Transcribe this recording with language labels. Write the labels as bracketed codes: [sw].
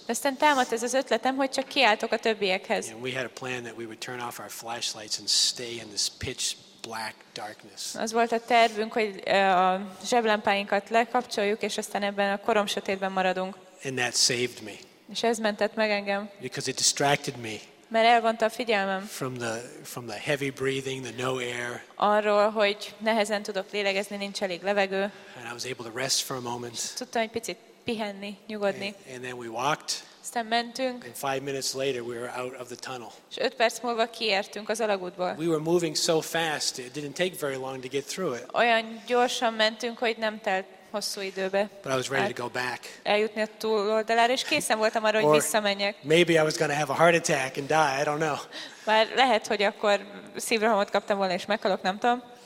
[hu] Aztán támadt ez az ötletem, hogy csak kiáltok a többiekhez. [en] And we had a plan that we would turn off our flashlights and stay in this pitch black darkness. [hu] Az volt a tervünk, hogy a zseblámpáinkat lekapcsoljuk, és aztán ebben a korom sötétben maradunk. [en] And that saved me. [hu] És ez mentett meg engem. [en] Because it distracted me. [hu] Mert elvonta a figyelmem. [en] From the heavy breathing, the no air. [hu] Arról, hogy nehezen tudok lélegezni, nincs elég levegő. [en] And I was able to rest for a moment. [hu] Tudtam egy picit pihenni, nyugodni. [en] And then we walked. [hu] Aztán mentünk. [en] And 5 minutes later we were out of the tunnel. [hu] És 5 perc múlva kiértünk az alagútból. [en] We were moving so fast, it didn't take very long to get through it. [hu] Olyan gyorsan mentünk, hogy nem telt hosszú időbe. [en] But I was ready to go back. [hu] Eljutni a túloldalára, és készen voltam arra, hogy visszamenjek. [en] Maybe I was going to have a heart attack and die, I don't know. [hu] Már lehet, hogy akkor szívrohamot kaptam volna, és meghalok, nem tudom.